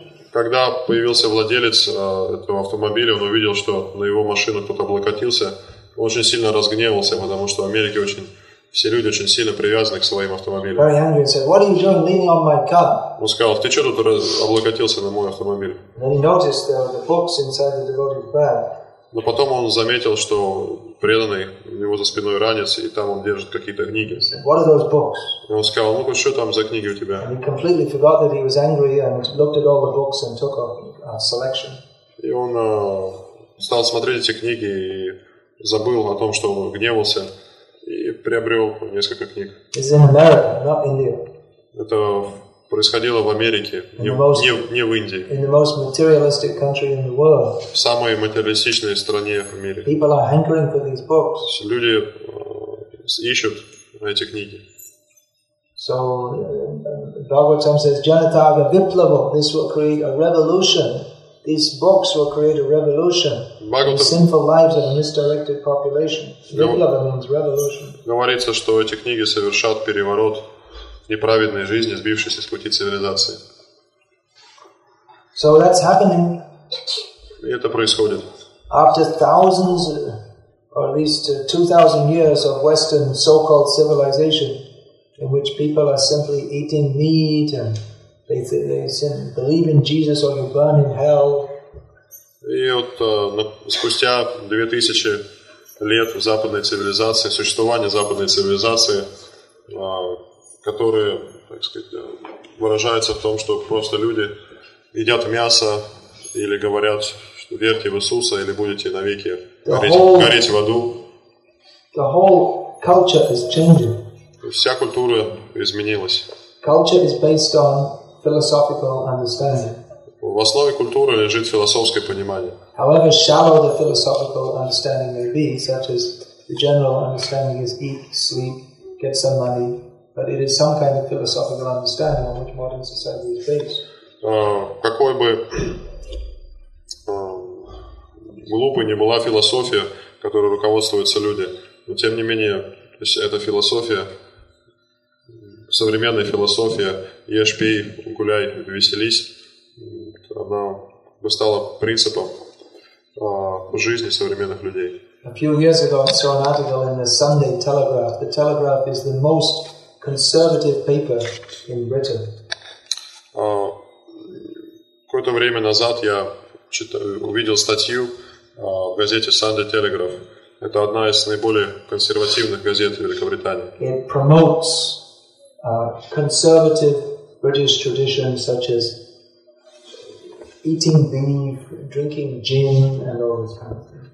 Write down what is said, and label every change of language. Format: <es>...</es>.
<ru>Когда появился владелец этого автомобиля, он увидел, что на его машину кто-то облокотился, очень сильно разгневался, потому что в Америке все люди очень сильно привязаны к своим автомобилям.</ru> <en>Very angry and said, "What are you doing leaning on my car?"</en> <ru>Он сказал: "Ты что тут облокотился на мой автомобиль?"</ru> <en>And then he noticed there were the books inside the devotee's bag.</en> <ru>Но потом он заметил, что преданный у него за спиной ранец, и там он держит какие-то книги.</ru> <en>What are those books?</en> <ru>И он сказал: "Ну что там за книги у тебя?"</ru> <en>And he completely forgot that he was angry and looked at all the books and took a selection.</en> <ru>И он стал смотреть эти книги и забыл о том, что он гневался, и приобрел несколько книг.</ru> <en>It's in America, not India.</en> <ru>Это происходило в Америке, не в Индии.</ru> <en>In the most materialistic country in the world.</en> <ru>В самой материалистичной стране в мире.</ru> <en>People are hankering for these books.</en> <ru>Люди ищут эти книги.</ru> <en>So, Bhagavatam says, Janataga Viplava, this will create a revolution. These books will create a revolution. Bhagavatam, the sinful lives of a misdirected population. Viplava means revolution.</en> <ru>Говорится, что эти книги совершат переворот неправедной жизни, сбившейся с пути цивилизации.</ru> <en>So that's happening.</en> <ru>И это происходит.</ru> <en>After thousands, or at least 2,000 years of Western so-called civilization, in which people are simply eating meat and they believe in Jesus or you burn in hell.</en> <ru>И вот спустя 2000 лет западной цивилизации, существования западной цивилизации, которые, так сказать, выражаются в том, что просто люди едят мясо или говорят, что верьте в Иисуса, или будете навеки гореть в аду.</ru> <en>The whole culture is changing.</en> <ru>Вся культура изменилась.</ru> <en>Culture is based on philosophical understanding.</en> <ru>В основе культуры лежит философское понимание.</ru> <en>However shallow the philosophical understanding may be, such as the general understanding is eat, sleep, get some money, but it is some kind of philosophical understanding on which modern society is based.</en> <ru>Какой бы глупой ни была философия, которой руководствуются люди, но тем не менее, то есть эта философия, современная философия, ешь, пей, гуляй, веселись, она бы стала принципом жизни современных людей.</ru> <en>A few years ago I saw an article in the Sunday Telegraph. The Telegraph is the most conservative paper in Britain.</en> <ru>Какое-то время назад я увидел статью в газете Sunday Telegraph. Это одна из наиболее консервативных газет Великобритании.</ru> <en>It promotes conservative British traditions such as eating beef, drinking gin, and all this kind of thing.</en>